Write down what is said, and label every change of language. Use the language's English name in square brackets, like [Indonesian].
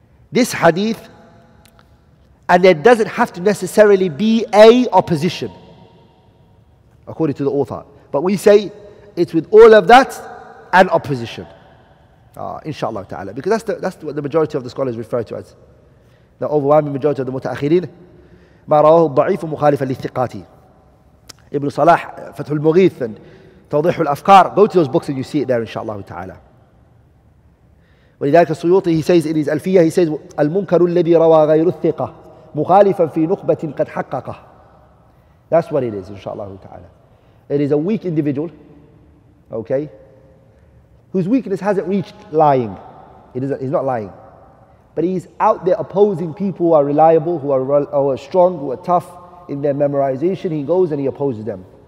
[English] This hadith, and there doesn't have to necessarily be a opposition, according to the author. But we say, it's with all of that, and opposition. Inshallah ta'ala. Because that's what the majority of the scholars refer to as. The overwhelming majority of the mutaakhirin. [Arabic] ما رواه الضعيف مخالفا للثقات. [English] Ibn Salah, Fathul Mughith, and توضيح الأفكار. Go to those books and you see it there, inshallah ta'ala. [Arabic] ولذلك السيوطي, [English] he says in his Alfiyah, he says, [Arabic] المنكر الذي روى غير الثقة مخالفا في نخبة قد حققه. [English] That's what it is, inshallah ta'ala. It is a weak individual, okay, whose weakness hasn't reached lying. He's not lying. But he's out there opposing people who are reliable, who are strong, who are tough in their memorization. He goes and he opposes them.